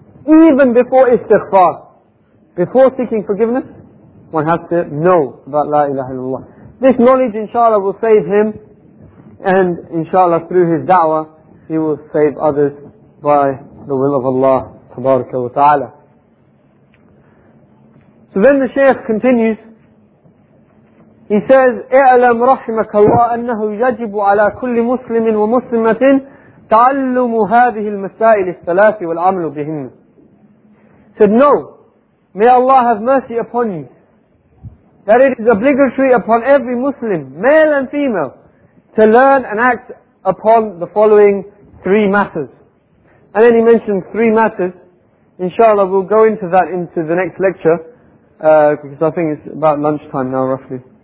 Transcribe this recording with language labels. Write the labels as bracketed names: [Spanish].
[English] Even before istighfar. Before seeking forgiveness, one has to know about la ilaha illallah. This knowledge, inshallah, will save him, and inshallah, through his da'wah, he will save others by the will of Allah, tabaraka wa ta'ala. So then the Shaykh continues. He says, [Arabic] اعلم رحمك الله أنه يجب على كل مسلم ومسلمة تعلم هذه المسائل الثلاث والعمل بهن. [English] He said, no, may Allah have mercy upon you, that it is obligatory upon every Muslim, male and female, to learn and act upon the following three matters. And then he mentioned three matters. Inshallah, we'll go into that into the next lecture, because I think it's about lunchtime now, roughly.